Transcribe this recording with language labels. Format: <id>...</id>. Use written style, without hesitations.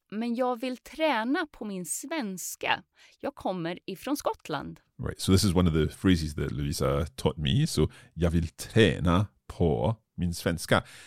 <sv>Men jag vill träna på min svenska. Jag kommer ifrån Skottland.</sv> <en>Right, so this is one of the phrases that Lovisa taught me.</en> <sv>So, jag vill träna på min svenska.</sv>